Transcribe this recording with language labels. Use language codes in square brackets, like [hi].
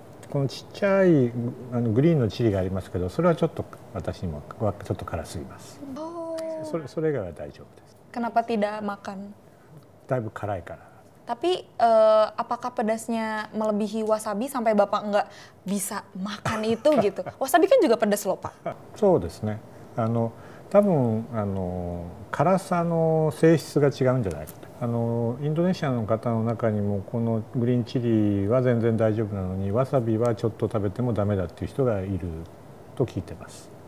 [ja] このちっちゃいグリーンのチリがありますけど、それはちょっと私にもちょっと辛すぎます。それ以外は大丈夫です。 [id] Kenapa tidak makan? [ja] だいぶ辛いから。 [id] Tapi apakah pedasnya melebihi wasabi sampai bapak enggak bisa makan itu gitu? Wasabi kan juga pedas loh pak. [ja] そうですね。多分辛さの性質が違うんじゃないかと。インドネシアの方の中にもこのグリーンチリは全然大丈夫なのにわさびはちょっと食べてもダメだっていう人がいると聞いてます。